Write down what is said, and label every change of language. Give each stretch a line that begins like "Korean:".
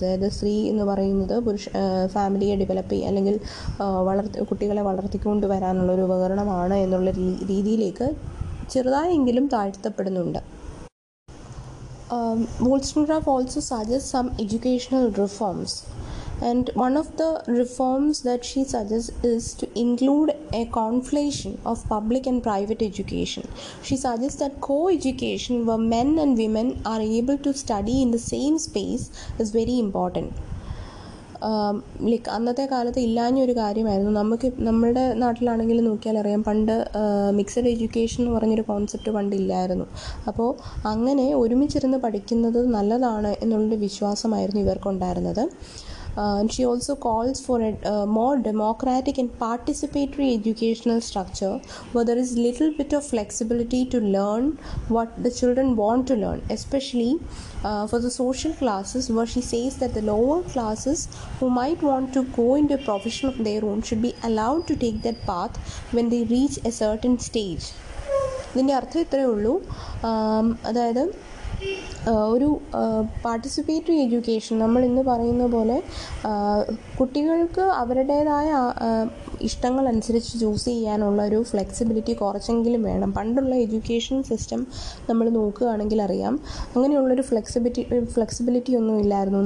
Malayalam: അതായത് സ്ത്രീ എന്ന് പറയുന്നത് പുരുഷ ഫാമിലിയെ ഡെവലപ്പ് ചെയ്യുക അല്ലെങ്കിൽ കുട്ടികളെ വളർത്തിക്കൊണ്ട് വരാനുള്ള ഒരു ഉപകരണമാണ് എന്നുള്ള രീതിയിലേക്ക് ചെറുതായെങ്കിലും താഴ്ത്തപ്പെടുന്നുണ്ട്.
English: Wollstonecraft also suggest some educational reforms. And one of the reforms that she suggests is to include a conflation of public and private education. She suggests that co-education where men and women are able to study in the same space is very important.
Malayalam: Like അന്നത്തെ കാലത്ത് ഇല്ലാഞ്ഞ ഒരു കാര്യമായിരുന്നു. നമുക്ക് നമ്മുടെ നാട്ടിലാണെങ്കിലും നോക്കിയാൽ അറിയാം, പണ്ട് mixed education എന്ന് പറഞ്ഞൊരു കോൺസെപ്റ്റ് പണ്ട് ഇല്ലായിരുന്നു. അപ്പോൾ അങ്ങനെ ഒരുമിച്ചിരുന്ന് പഠിക്കുന്നത് നല്ലതാണ് എന്നുള്ളൊരു വിശ്വാസമായിരുന്നു ഇവർക്കുണ്ടായിരുന്നത്.
English: And she also calls for a more democratic and participatory educational structure where there is little bit of flexibility to learn what the children want to learn, especially for the social classes, where she says that the lower classes who might want to go into a profession of their own should be allowed to take that path when they reach a certain stage.
Malayalam: ഇതിൻ്റെ അർത്ഥം ഇത്രയേ ഉള്ളൂ. അതായത് ഒരു participatory education, നമ്മൾ ഇന്ന് പറയുന്ന പോലെ കുട്ടികൾക്ക് അവരുടേതായ ഇഷ്ടങ്ങൾ അനുസരിച്ച് ചൂസ് ചെയ്യാനുള്ള ഒരു ഫ്ലെക്സിബിലിറ്റി കുറച്ചെങ്കിലും വേണം. പണ്ടുള്ള എഡ്യൂക്കേഷൻ സിസ്റ്റം നമ്മൾ നോക്കുകയാണെങ്കിൽ അറിയാം, അങ്ങനെയുള്ളൊരു ഫ്ലെക്സിബിലിറ്റി ഒന്നും ഇല്ലായിരുന്നു.